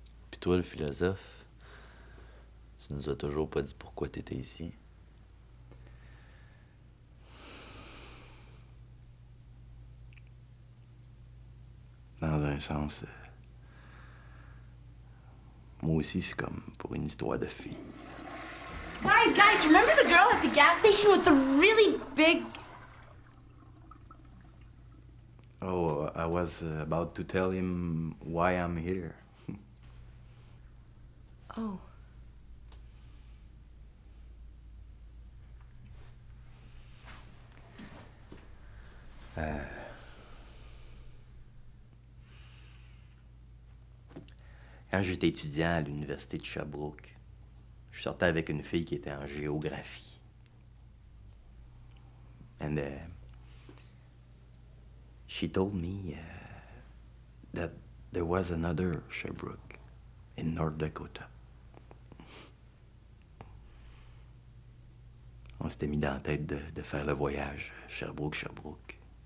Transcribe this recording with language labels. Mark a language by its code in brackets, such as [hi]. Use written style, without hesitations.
[fr] Pis toi, le philosophe, tu nous as toujours pas dit pourquoi t'étais ici. Dans un sens... Moi aussi, c'est comme pour une histoire de fille. [en] Guys, guys, remember the girl at the gas station with the really big... Oh, I was about to tell him why I'm here. Oh. [fr] Quand j'étais étudiant à l'université de Sherbrooke, je sortais avec une fille qui était en géographie. [en] And she told me that there was another Sherbrooke in North Dakota. [fr] On s'était mis dans la tête de faire le voyage Sherbrooke-Sherbrooke.